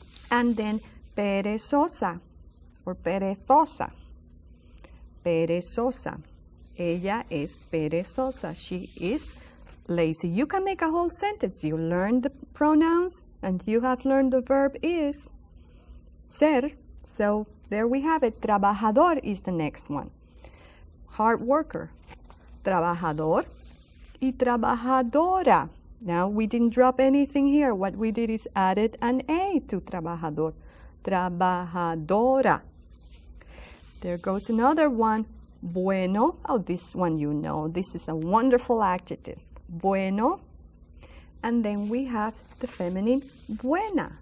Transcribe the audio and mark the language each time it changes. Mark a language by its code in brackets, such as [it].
[en] And then perezosa or perezosa, perezosa. [es] Ella es perezosa. [en] She is lazy. You can make a whole sentence. You learn the pronouns and you have learned the verb is ser. So there we have it. Trabajador is the next one. Hard worker. [es] Trabajador y trabajadora. [en] Now we didn't drop anything here. What we did is added an A to trabajador. Trabajadora. There goes another one. Bueno. Oh, this one you know. This is a wonderful adjective. Bueno. And then we have the feminine buena.